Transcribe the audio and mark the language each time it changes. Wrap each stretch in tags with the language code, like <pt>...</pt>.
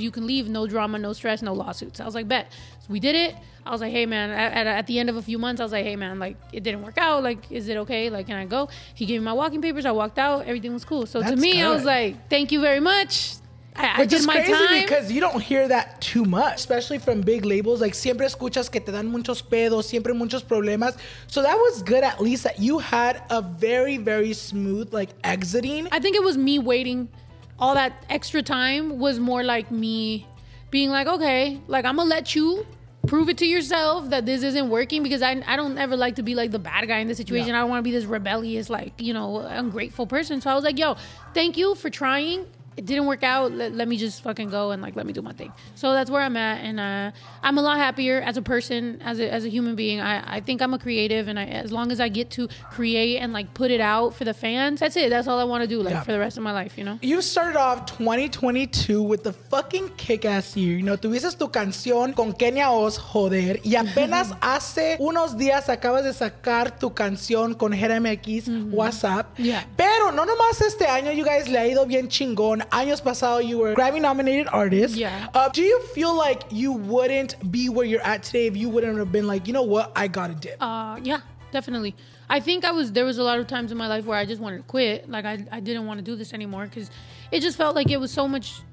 <en>You can leave. No drama, no stress, no lawsuits. I was like, bet. So we did it. I was like, hey, man, at the end of a few months, I was like, hey, man, like, it didn't work out. Like, is it okay? Like, can I go? He gave me my walking papers. I walked out. Everything was cool. So that's to me, good. I was like, thank you very much. Which is crazy time. Because you don't hear that too much, especially from big labels.</en> <es>Like, siempre escuchas que te dan muchos pedos, siempre muchos problemas.</es> <en>So that was good, at least, that you had a very, very smooth, like, exiting. I think it was me waiting all that extra time was more like me being like, okay, like, I'm gonna let you prove it to yourself that this isn't working, because I don't ever like to be like the bad guy in this situation. Yeah. I don't want to be this rebellious, like, you know, ungrateful person. So I was like, yo, thank you for trying. It didn't work out. Let me just fucking go and like let me do my thing. So that's where I'm at, and I'm a lot happier as a person, as a human being. I think I'm a creative, and I, as long as I get to create and like put it out for the fans, that's it. That's all I want to do, like for the rest of my life, you know. You started off 2022 with the fucking kick-ass year. You know,</en> <es>tuviste tu canción con Kenia Oz, joder, y apenas hace unos días acabas de sacar tu canción con Jerem X, WhatsApp.</es> <en>Yeah.</en> <es>Pero no nomás este año,</es> <en>you guys,</en> <es>le ha ido bien chingón. Años pasado,</es> <en>you were Grammy nominated artist. Yeah. Do you feel like you wouldn't be where you're at today if you wouldn't have been like, you know what, I gotta dip? Yeah, definitely. I think there was a lot of times in my life where I just wanted to quit. Like I didn't want to do this anymore, because it just felt like it was so much</en>